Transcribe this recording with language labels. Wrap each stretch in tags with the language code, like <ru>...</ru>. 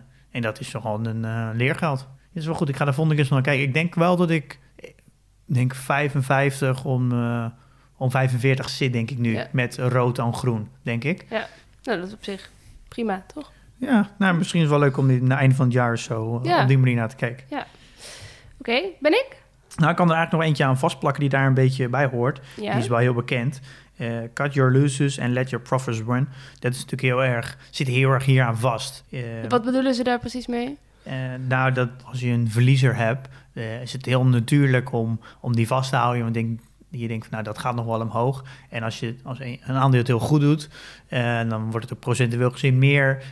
<nl>En dat is toch gewoon een leergeld. Dat is wel goed. Ik ga de volgende keer eens naar kijken. Ik denk wel dat ik denk 55 om 45 zit, denk ik nu, met rood en groen, denk ik. Ja, nou, dat is op zich prima, toch? Ja, nou, misschien is het wel leuk om dit na einde van het jaar zo op die manier naar te kijken. Ja. Oké, ben ik? Nou, ik kan er eigenlijk nog eentje aan vastplakken die daar een beetje bij hoort. Ja. Die is wel heel bekend.</nl> <en>Cut your losses and let your profits run.</en> <nl>Dat is natuurlijk zit heel erg hier aan vast. Wat bedoelen ze daar precies mee? Dat als je een verliezer hebt, is het heel natuurlijk om die vast te houden. Want je denkt, dat gaat nog wel omhoog. En als een aandeel het heel goed doet, dan wordt het ook procentueel gezien meer.</nl>